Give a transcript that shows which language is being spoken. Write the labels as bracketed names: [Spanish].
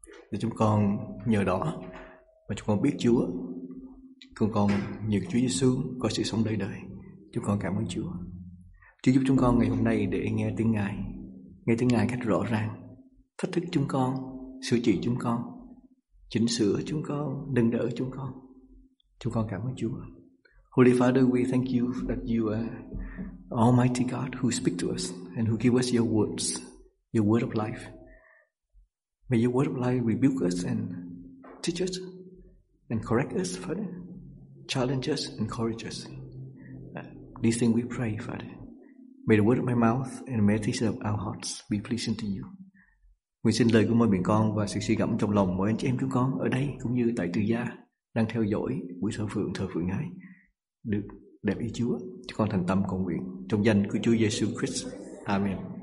[Vietnamese] Để chúng con nhờ đó và chúng con biết Chúa. Chúng con nhờ Chúa Giê-xu có sự sống đời đời. Chúng con cảm ơn Chúa. Chúa giúp chúng con ngày hôm nay để nghe tiếng Ngài, nghe tiếng Ngài cách rõ ràng, thách thức chúng con, sửa chữa chúng con, chỉnh sửa chúng con, nâng đỡ chúng con. Chúng con cảm ơn Chúa. [English] Holy Father, we thank you that you are Almighty God who speak to us and who give us your words, your word of life. May your word of life rebuke us and teach us and correct us, Father. Challenge us, encourage us. These things we pray, Father. May the word of my mouth and the meditation of our hearts be pleasing to you. [Vietnamese] Nguyện xin lời của mỗi miệng con và sự suy gẫm trong lòng mỗi anh chị em chúng con ở đây cũng như tại tư gia đang theo dõi buổi thờ phượng Ngài được đẹp ý Chúa. Chúng con thành tâm cầu nguyện trong danh của Chúa Giê-xu Christ. Amen.